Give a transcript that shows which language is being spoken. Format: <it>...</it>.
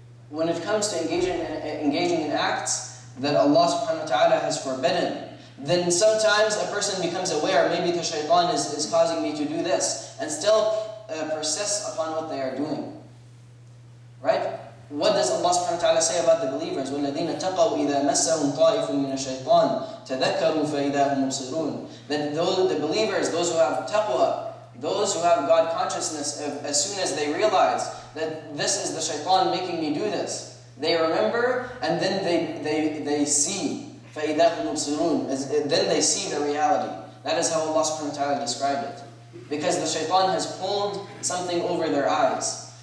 <en>When it comes to engaging in acts that Allah subhanahu wa ta'ala has forbidden, then sometimes a person becomes aware, maybe the shaitan is causing me to do this. And still persists upon what they are doing. Right? What does Allah subhanahu wa ta'ala say about the believers?</en> <ar>وَالَّذِينَ تَقَوْا إِذَا مَسَّهُمْ طَائِفٌ مِّنَ الشَّيْطَانِ تَذَكَّرُوا فَإِذَا هُمْ مُبْصِرُونَ.</ar> <en>That the believers, those who have taqwa, Those who have God consciousness, as soon as they realize that this is the shaitan making me do this, they remember and then they see.</en> <ar>فَإِذَا يُبْصِرُونَ</ar> <en>Then they see the reality. That is how Allah subhanahu wa ta'ala described it. Because the shaitan has pulled something over their eyes.</en>